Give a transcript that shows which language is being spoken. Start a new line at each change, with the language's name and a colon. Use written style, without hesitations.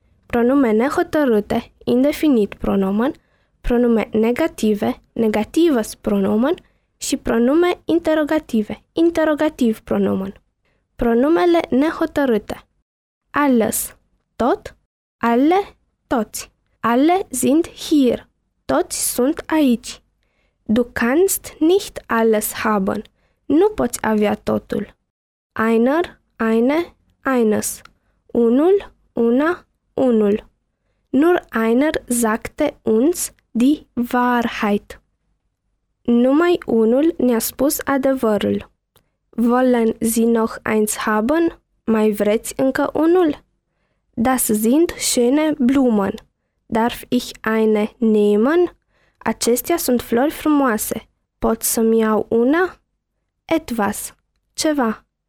Romanian: Pronume nehotărâte, indefinit pronomen, pronume negative, negativus pronomen și pronume interrogative, interrogativ pronomen. Pronumele nehotărâte. Alles, tot, alle, toți.
German: Alle sind hier,
Romanian: toți sunt aici.
German: Du kannst nicht alles haben,
Romanian: nu poți avea totul.
German: Einer, eine, eines,
Romanian: unul, una, unul.
German: Nur einer sagte uns die Wahrheit.
Romanian: Numai unul ne-a spus adevărul.
German: Wollen Sie noch eins haben?
Romanian: Mai vreți încă unul?
German: Das sind schöne Blumen. Darf ich eine nehmen?
Romanian: Acestea sunt flori frumoase. Pot să-mi iau una? Etwas. Ceva.